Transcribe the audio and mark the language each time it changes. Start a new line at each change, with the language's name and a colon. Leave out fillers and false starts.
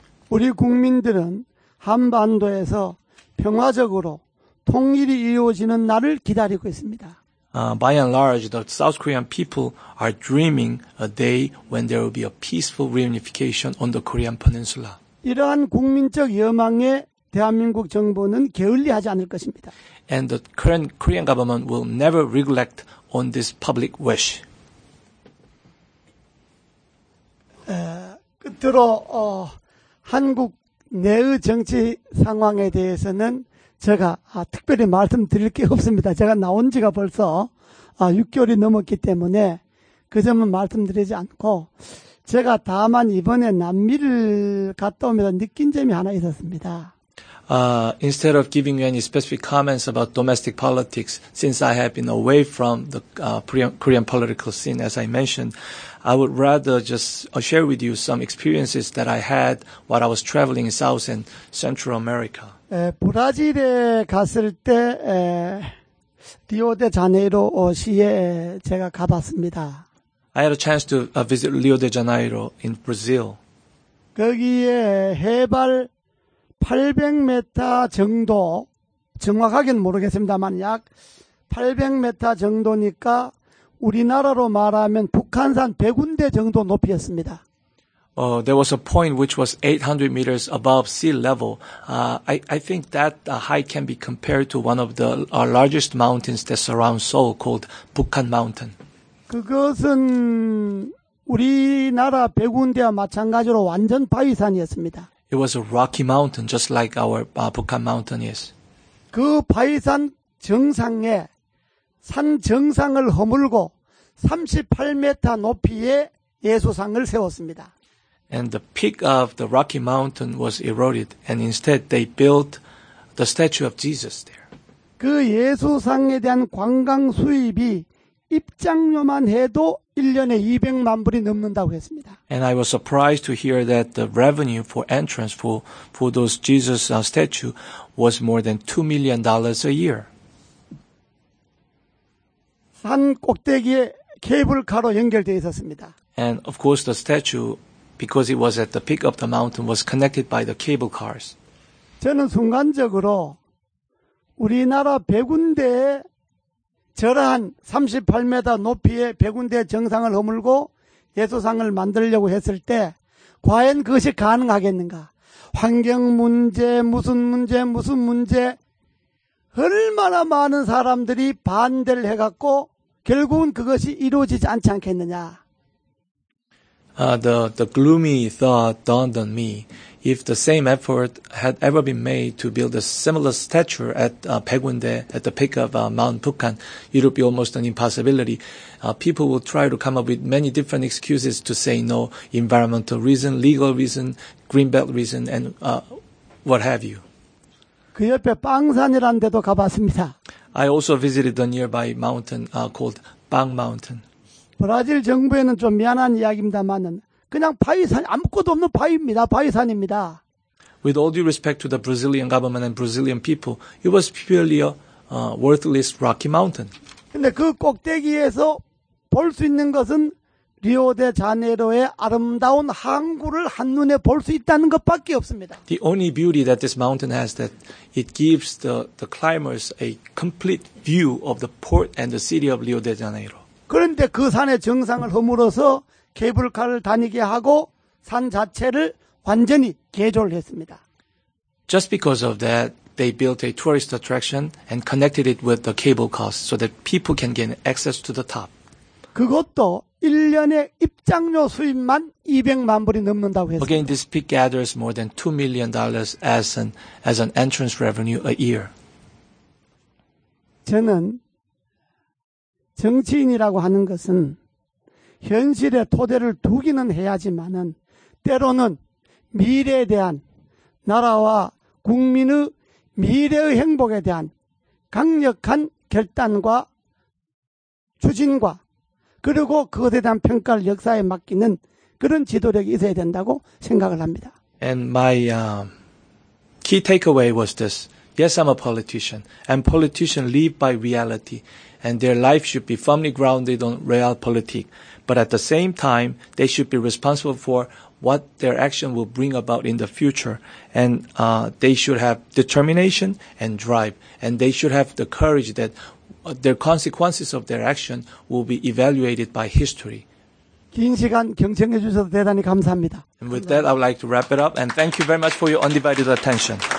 Korean: 우리 국민들은 한반도에서 평화적으로 통일이 이루어지는 날을 기다리고 있습니다.
English: By and large, the South Korean people are dreaming a day when there will be a peaceful reunification on the Korean Peninsula.
Korean: 이러한 국민적 열망에 대한민국 정부는 게을리하지 않을 것입니다.
English: And the current Korean government will never neglect on this public wish.
Korean: 끝으로 한국 내의 정치 상황에 대해서는 제가 특별히 말씀드릴 게 없습니다. 제가 나온 지가 벌써 6개월이 넘었기 때문에 그 점은 말씀드리지 않고 제가 다만 이번에 남미를 갔다 오면서 느낀 점이 하나 있었습니다.
English: Instead of giving you any specific comments about domestic politics, since I have been away from the Korean political scene, as I mentioned, I would rather just share with you some experiences that I had while I was traveling in South and Central America.
Korean: 브라질에 갔을 때 리오데자네이로 시에 제가 가봤습니다.
English: I had a chance to visit Rio de Janeiro in Brazil.
Korean: 거기에 해발 800m 정도, 정확하게는 모르겠습니다만 약 800m 정도니까 우리나라로 말하면 북한산 100군데 정도 높이였습니다.
English: There was a point which was 800 meters above sea level. I think that height can be compared to one of the largest mountains that surrounds Seoul called Bukhan Mountain.
Korean: 그것은 우리나라 백운대와 마찬가지로 완전 바위산이었습니다.
English: It was a rocky mountain just like our Bukhan Mountain is.
Korean: 그 바위산 정상에 산 정상을 허물고 38m 높이의 예수상을 세웠습니다.
English: And the peak of the Rocky Mountain was eroded, and instead they built the statue of Jesus there.
Korean: 그 예수상에 대한 관광 수입이 입장료만 해도 1년에 200만 불이 넘는다고 했습니다.
English: And I was surprised to hear that the revenue for entrance for those Jesus statue was more than $2 million a year.
Korean: 산 꼭대기에 케이블카로 연결되어 있었습니다.
English: And of course the statue, because it was at the peak of the mountain, was connected by the cable cars.
Korean: 저는 순간적으로 우리나라 백운대에 저러한 38m 높이의 백운대 정상을 허물고 예수상을 만들려고 했을 때 과연 그것이 가능하겠는가? 환경 문제, 무슨 문제, 무슨 문제 얼마나 많은 사람들이 반대를 해갖고 결국은 그것이 이루어지지 않지 않겠느냐?
English: The gloomy thought dawned on me. If the same effort had ever been made to build a similar statue at Baekgunde, at the peak of Mount Bukhan, it would be almost an impossibility. People will try to come up with many different excuses to say no, environmental reason, legal reason, greenbelt reason, and what have you.
Korean: 그 옆에 빵산이라는 데도 가봤습니다.
English: I also visited the nearby mountain called Bang Mountain.
Korean: 브라질 정부에는 좀 미안한 이야기입니다만은 그냥 바위산 아무것도 없는 바위입니다. 바위산입니다.
English: With all due respect to the Brazilian government and Brazilian people, it was purely a worthless rocky mountain.
Korean: 근데 그 꼭대기에서 볼 수 있는 것은 리오데자네이로의 아름다운 항구를 한눈에 볼 수 있다는 것밖에 없습니다.
English: The only beauty that this mountain has that it gives the climbers a complete view of the port and the city of Rio de Janeiro.
Korean: 그런데 그 산의 정상을 허물어서 케이블카를 다니게 하고 산 자체를 완전히 개조를 했습니다.
English: Just because of that, they built a tourist attraction and connected it with the cable cars so that people can get access to the top.
Korean: 그것도 1년에 입장료 수입만 200만 불이 넘는다고 했어요.
English: Again, this peak gathers more than $2 million as an entrance revenue a year.
Korean: 저는 정치인이라고 하는 것은 현실의 토대를 두기는 해야지만은 때로는 미래에 대한 나라와 국민의 미래의 행복에 대한 강력한 결단과 추진과 그리고 그것에 대한 평가를 역사에 맡기는 그런 지도력이 있어야 된다고 생각을 합니다.
English: And my key takeaway was this. Yes, I'm a politician, and politicians live by reality, and their life should be firmly grounded on realpolitik. But at the same time, they should be responsible for what their action will bring about in the future. And they should have determination and drive, and they should have the courage that the consequences of their action will be evaluated by history.
Korean: 긴 시간 경청해 주셔서 대단히 감사합니다.
English: And with that, I would like to wrap it up, and thank you very much for your undivided attention.